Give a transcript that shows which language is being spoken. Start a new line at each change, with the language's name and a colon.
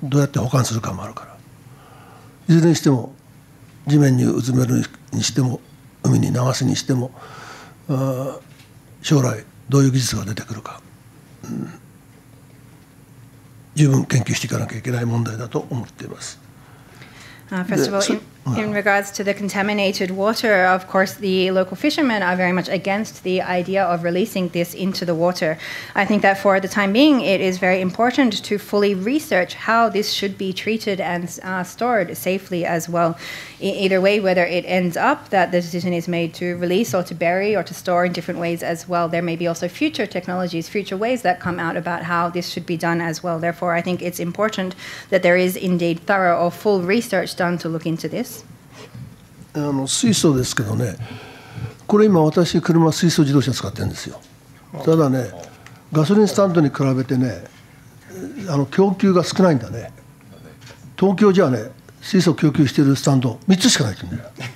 Japanese: どうやって保管するかもあるから、いずれにしても地面にうずめるにしても海に流すにしても将来どういう技術が出てくるか、十分研究していかなきゃいけない問題だと思っています。
English: First of all, in regards to the contaminated water, of course, the local fishermen are very much against the idea of releasing this into the water. I think that for the time being, it is very important to fully research how this should be treated and stored safely as well. Either way, whether it ends up that the decision is made to release or to bury or to store in different ways as well, there may be also future technologies, future ways that come out about how this should be done as well. Therefore, I think it's important that there is indeed thorough or full research Done to look into this.
Japanese: 水素ですけどね、これ今私車水素自動車使ってるんですよ。ただね、ガソリンスタンドに比べてね、供給が少ないんだね。東京じゃね、水素供給してるスタンド3つしかないんだよ。